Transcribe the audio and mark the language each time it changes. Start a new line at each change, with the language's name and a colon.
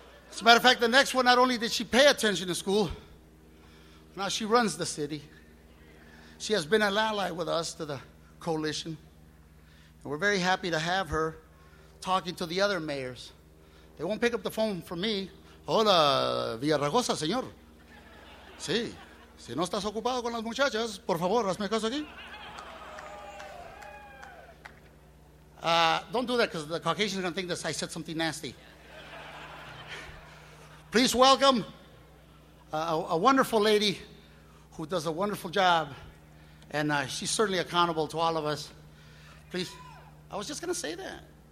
English: As a matter of fact, the next one, not only did she pay attention in school, now she runs the city. She has been an ally with us to the coalition. And we're very happy to have her talking to the other mayors. They won't pick up the phone from me.
Spanish: Hola, Villaraigosa, señor. Sí. Si no estás ocupado con las muchachas, por favor, hazme caso aquí.
English: Don't do that because the Caucasians are going to think that I said something nasty. Please welcome a wonderful lady who does a wonderful job. And she's certainly accountable to all of us. Please, I was just going to say that.